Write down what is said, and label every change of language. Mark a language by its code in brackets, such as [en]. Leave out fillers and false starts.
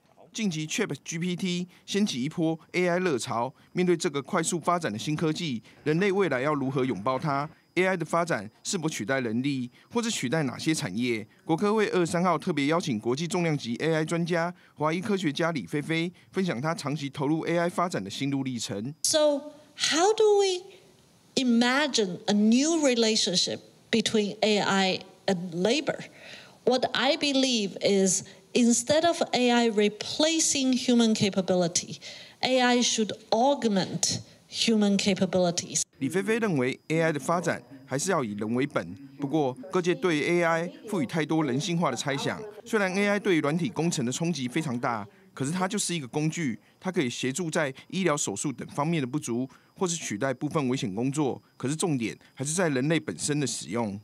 [zh] 近期 ChatGPT 掀起一波 AI 热潮，面对这个快速发展的新科技，人类未来要如何拥抱它？ AI 的发展是否取代人力，或是取代哪些产业？国科会二十三号特别邀请国际重量级 AI 专家、华裔科学家李菲菲分享她长期投入 AI 发展的心路历程。 [en] So, how do we imagine a new relationship between AI and labor? What I believe is, instead of AI replacing human capability, AI should augment human capabilities. [zh] 李菲菲认为 AI 的发展还是要以人为本，不过各界对 AI 赋予太多人性化的猜想。虽然 AI 对软体工程的冲击非常大，可是它就是一个工具，它可以协助在医疗手术等方面的不足，或是取代部分危险工作，可是重点还是在人类本身的使用。